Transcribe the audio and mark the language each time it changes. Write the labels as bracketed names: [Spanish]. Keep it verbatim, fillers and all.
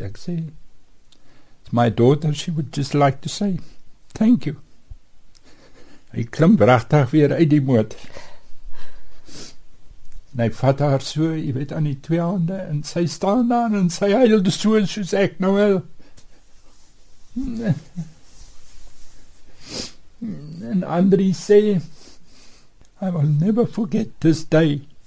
[Afrikaans] Ek sê, [English] it's my daughter, she would just like to say, thank you. [Afrikaans] Hy klim pragtig weer uit die motor. En hy vat haar so, jy weet, aan die twee hande, en sy staan daar, en sy huilde so, soos ek nou wil. [English] And Andri say, I will never forget this day.